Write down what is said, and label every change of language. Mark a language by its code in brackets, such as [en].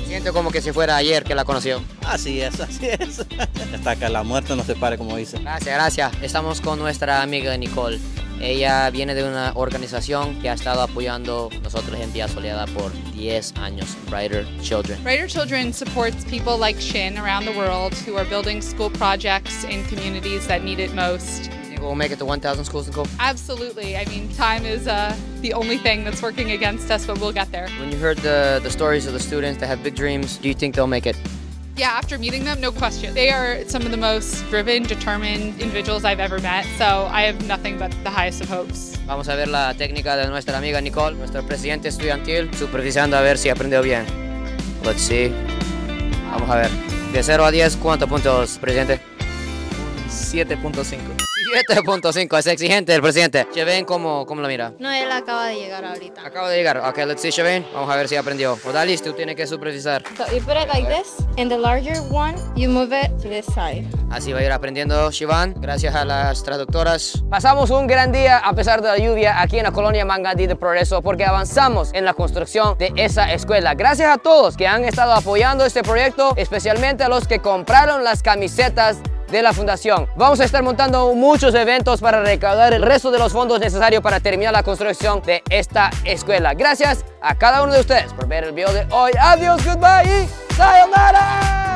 [es] Siento como que si fuera ayer que la conoció. Así es. Hasta que la muerte nos separe, como dice. Gracias, gracias. Estamos con nuestra amiga Nicole. Ella viene de una organización que ha estado apoyando a nosotros en Villa Soleada por 10 años, Brighter Children. [en] Brighter Children supports people like Shin around the world who are building school projects in communities that need it most. We'll make it to 1,000 schools in Cove? Absolutely. I mean, time is the only thing that's working against us, but we'll get there. When you heard the stories of the students that have big dreams, do you think they'll make it? Yeah, after meeting them, no question. They are some of the most driven, determined individuals I've ever met, so I have nothing but the highest of hopes. [es] Vamos a ver la técnica de nuestra amiga Nicole, nuestro presidente estudiantil, supervisando a ver si aprendió bien. [en] Let's see. [es] Vamos a ver. De 0 a 10, ¿cuántos puntos, presidente? 7.5. 7.5, es exigente el presidente. Cheven, ¿cómo lo mira? No, él acaba de llegar ahorita. Acaba de llegar. [en] Ok, let's see, [es] Cheven. Vamos a ver si aprendió. Odalis, tú tienes que supervisar. [en] So you put it like this, and the larger one, you move it to this side. [es] Así va a ir aprendiendo, Cheven. Gracias a las traductoras. Pasamos un gran día, a pesar de la lluvia, aquí en la colonia Mangandí de Progreso, porque avanzamos en la construcción de esa escuela. Gracias a todos que han estado apoyando este proyecto, especialmente a los que compraron las camisetas de la fundación. Vamos a estar montando muchos eventos para recaudar el resto de los fondos necesarios para terminar la construcción de esta escuela. Gracias a cada uno de ustedes por ver el video de hoy. Adiós, goodbye y sayonara.